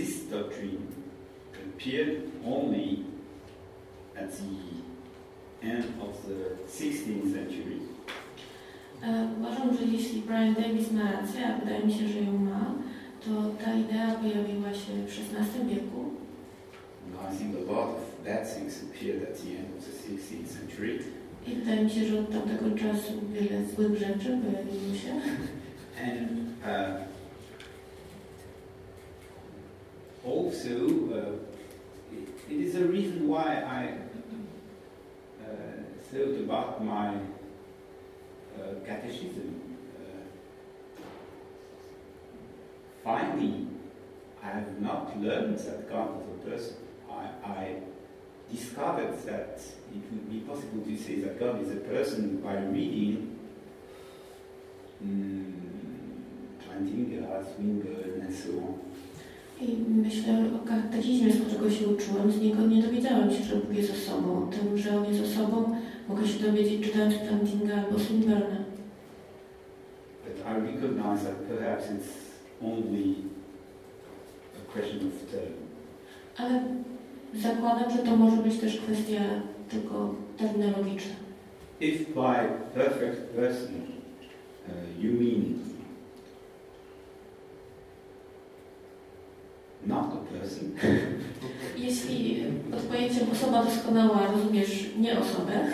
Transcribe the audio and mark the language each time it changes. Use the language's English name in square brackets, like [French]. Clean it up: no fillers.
[English] doctrine appeared only at the end of the 16th century. [Polish] Uważam, że jeśli Brian Davis ma rację, a wydaje mi się, że ją ma, to ta idea pojawiła się w XVI wieku. [English] And I think a lot of bad things appeared at the end of the 16th century. [Polish] I wydaje mi się, że od tamtego czasu wiele złych rzeczy pojawiło się. [English] And also, it is a reason why I thought about my catechism. Finally, I have not learned that God is a person. I discovered that it would be possible to say that God is a person by reading Plantinga, Swinburne, and so on. [Polish] I myślę o katechizmie, z którego się uczyłem, z niego nie dowiedziałam się, że Bóg jest osobą. O tym, że On jest osobą, mogę się dowiedzieć, czytając Plantinga albo Swinburne. [English] But I recognize that perhaps it's only a question of term. [Polish] Ale zakładam, że to może być też kwestia tylko terminologiczna. [English] If by perfect person you mean not a person. [Polish] Jeśli pod pojęciem osoba doskonała rozumiesz nie osobę,